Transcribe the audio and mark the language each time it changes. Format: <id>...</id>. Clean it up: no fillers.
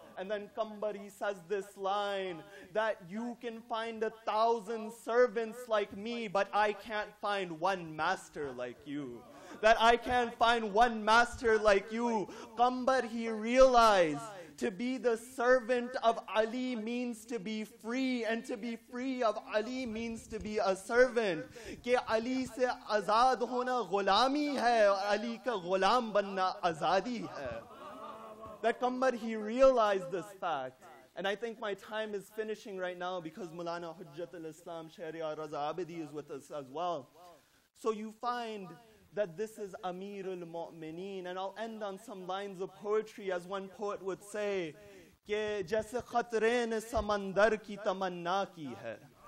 <en>And then Qambar, he says this line, that you can find 1,000 servants like me, but I can't find one master like you. That I can't find one master like you. Qambar, he realized to be the servant of Ali means to be free, and to be free of Ali means to be a servant.</en> <ur>کہ علی سے آزاد ہونا غلامی ہے، علی کا غلام بننا آزادی ہے۔</ur> <en>That Qambar, he realized this fact. And I think my time is finishing right now because Mulana Hujjat al-Islam Shahriar Raza Abidi is with us as well. So you find that this is Amir al-Mu'mineen. And I'll end on some lines of poetry, as one poet would say,</en> <ur>ke jaise khatrein samandar ki tamanna ki hai.</ur>